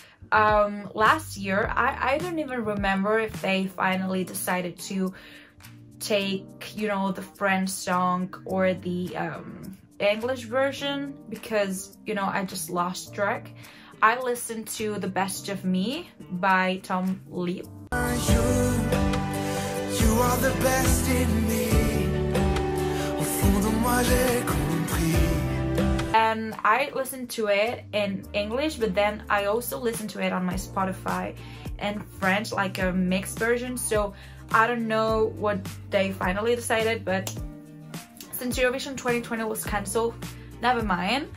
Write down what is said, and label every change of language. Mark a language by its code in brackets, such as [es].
[en] Last year, I don't even remember if they finally decided to take, you know, the French song or the English version, because, you know, I just lost track. I listened to The Best of Me by Tom Leap. You are the best in me. [fr] Au fond de moi, j'ai compris. [en] And I listened to it in English, but then I also listened to it on my Spotify in French, like a mixed version. So I don't know what they finally decided, but since Eurovision 2020 was cancelled, never mind.